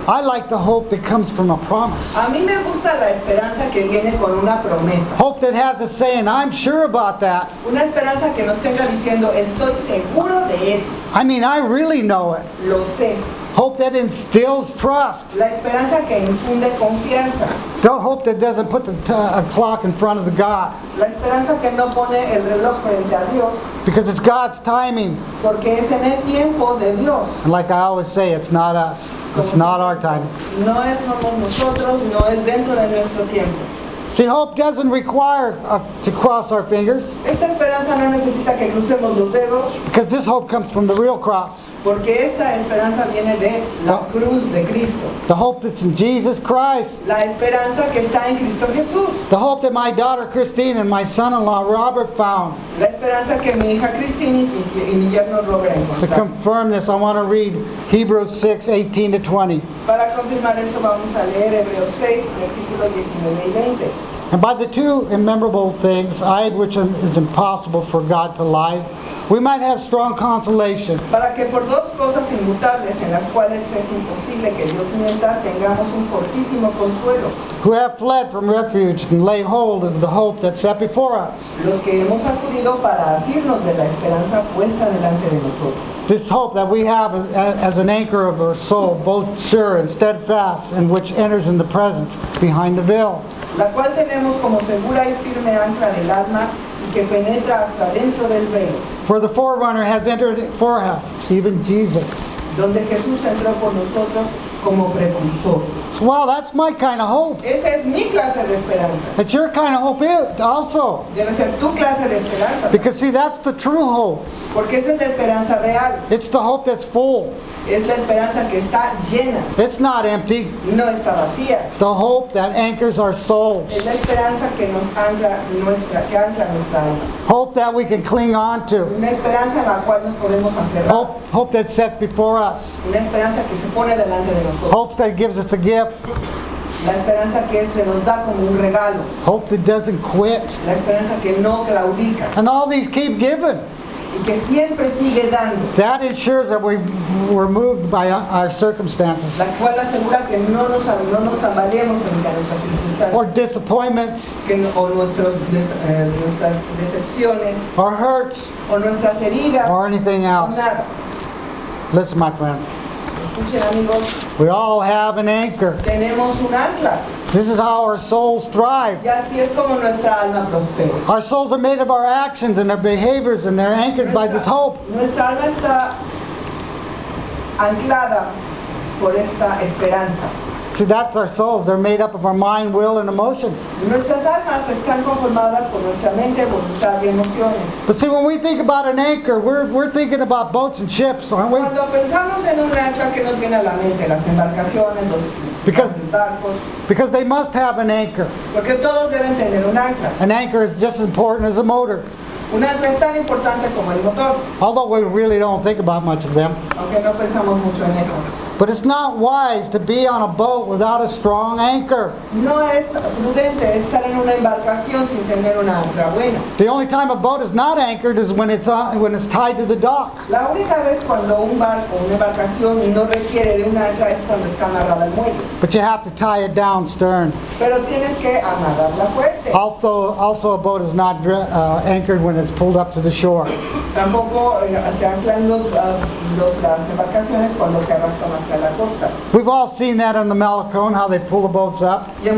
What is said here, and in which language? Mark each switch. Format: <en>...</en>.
<en>I like the hope that comes from a promise.</en> <es>A mí me gusta la esperanza que viene con una promesa.</es> <en>Hope that has a saying, I'm sure about that.</en> <es>Una esperanza que nos tenga diciendo, estoy seguro de eso.</es> <en>I mean, I really know it.</en> <es>Lo sé.</es> <en>Hope that instills trust.</en> <es>La esperanza que infunde confianza.</es> <en>Don't hope that doesn't put a clock in front of the God.</en> <es>La esperanza que no pone el reloj frente a Dios.</es> <en>Because it's God's timing.</en> <es>Porque es en el tiempo de Dios.</es> <en>And like I always say, it's not us. It's not our timing.</en> <es>No es con nosotros, no es dentro de nuestro tiempo.</es> <en>See, hope doesn't require to cross our fingers.</en> <es>Esta esperanza no necesita que crucemos los dedos.</es> <en>Because this hope comes from the real cross.</en> <es>Porque esta esperanza viene de la cruz de Cristo.</es> <en>The hope that's in Jesus Christ.</en> <es>La esperanza que está en Cristo Jesús.</es> <en>The hope that my daughter Christine and my son-in-law Robert found.</en> <es>La esperanza que mi hija Christine y mi yerno Robert encontraron.</es> <en>To confirm this, I want to read Hebrews 6, 18 to 20.</en> <es>Para confirmar esto, vamos a leer Hebreos 6, versículos 19 y 20.</es> <en>And by the two immemorable things, I, which is impossible for God to lie, we might have strong consolation.</en> <es>Para que por dos cosas inmutables en las cuales es imposible que Dios mienta, tengamos un fortísimo consuelo.</es> <en>Who have fled from refuge and lay hold of the hope that's set before us.</en> <es>Los que hemos acudido para asirnos de la esperanza puesta delante de nosotros.</es> <en>This hope that we have as an anchor of our soul, both sure and steadfast, and which enters in the presence behind the veil.</en> <es>La cual tenemos como segura y firme ancla del alma y que penetra hasta dentro del velo.</es> <en>For the forerunner has entered for us, even Jesus.</en> <es>Donde Jesús entró por nosotros como precursor.</es> <en>So, wow, that's my kind of hope.</en> <es>Esa es mi clase de esperanza.</es> <en>It's your kind of hope also.</en> <es>Debe ser tu clase de esperanza.</es> <en>Because see, that's the true hope.</en> <es>Porque esa es la esperanza real.</es> <en>It's the hope that's full.</en> <es>Es la esperanza que está llena.</es> <en>It's not empty.</en> <es>No está vacía.</es> <en>The hope that anchors our souls.</en> <es>Es la esperanza que nos ancla nuestra, que ancla nuestra alma.</es> <en>Hope that we can cling on to.</en> <es>Una esperanza a la cual nos podemos aferrar.</es> <en>Hope that sets before us.</en> <es>Una esperanza que se pone delante de nosotros.</es> <en>Hope that gives us a gift.</en> <es>La esperanza que se nos da como un regalo.</es> <en>Hope that doesn't quit.</en> <es>La esperanza que no claudica.</es> <en>And all these keep giving.</en> <es>Que siempre sigue dando.</es> <en>That ensures that we're moved by our circumstances.</en> <es>La cual asegura que no nos tambaleemos en nuestras circunstancias.</es> <en>Or disappointments.</en> <es>Nuestras decepciones.</es> <en>Or hurts.</en> <es>O nuestras heridas.</es> <en>Or anything else.</en> <es>Nada.</es> <en>Listen, my friends.</en> <es>Escuchen, amigos.</es> <en>We all have an anchor.</en> <es>Tenemos un ancla.</es> <en>This is how our souls thrive.</en> <es>Y así es como nuestra alma prospera.</es> <en>Our souls are made of our actions and our behaviors, and they're anchored by this hope.</en> <es>Nuestra alma está anclada por esta esperanza.</es> <en>See, that's our souls. They're made up of our mind, will, and emotions.</en> <es>Nuestras almas están conformadas por nuestra mente, voluntad y emociones.</es> <en>But see, when we think about an anchor, we're thinking about boats and ships, aren't we?</en> <es>Cuando pensamos en un ancla, ¿qué nos viene a la mente? Las embarcaciones, los barcos.</es> <en>Because they must have an anchor.</en> <es>Porque todos deben tener un ancla.</es> <en>An anchor is just as important as a motor.</en> <es>Un ancla es tan importante como el motor.</es> <en>Although we really don't think about much of them.</en> <es>Aunque no pensamos mucho en eso.</es> <en>But it's not wise to be on a boat without a strong anchor.</en> <es>No es prudente estar en una embarcación sin tener una ancla buena.</es> <en>The only time a boat is not anchored is when it's tied to the dock.</en> <es>La única vez cuando un barco, una embarcación, no requiere de una ancla es cuando está amarrada al muelle.</es> <en>But you have to tie it down stern.</en> <es>Pero tienes que amarrarla fuerte.</es> <en>Also, a boat is not anchored when it's pulled up to the shore.</en> <es>Tampoco se anclan las embarcaciones cuando se arrastran.</es> <en>We've all seen that in the Malecón, how they pull the boats up.</en>